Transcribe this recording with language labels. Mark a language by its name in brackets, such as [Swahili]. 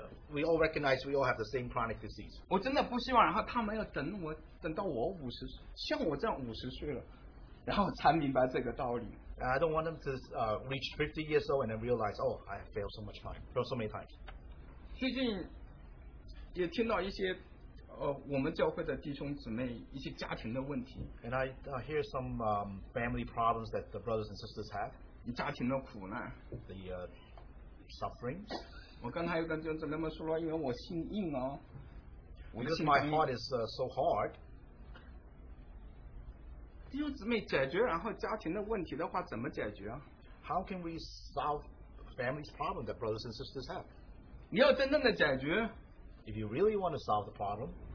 [English] We all recognize we all have the same chronic disease. [Chinese] 我真的不希望他们要等我等到我五十像我这样五十岁了，然后才明白这个道理。 [English] I don't want them to reach 50 years old and then realize, oh, I failed so much time, so many times. [Chinese] 最近也听到一些我们教会的弟兄姊妹一些家庭的问题。 [English] And I hear some family problems that the brothers and sisters have. [Chinese] 家庭的苦难。 [English] The sufferings. [Chinese] 我刚才又跟弟兄姊妹说了，因为我心硬哦。 [English] Because my heart is so hard. [Chinese] 弟兄姊妹解决然后家庭的问题的话，怎么解决啊？ [English] How can we solve family's problem that brothers and sisters have? [Chinese] 你要真正的解决， [English] If you really want to solve the problem,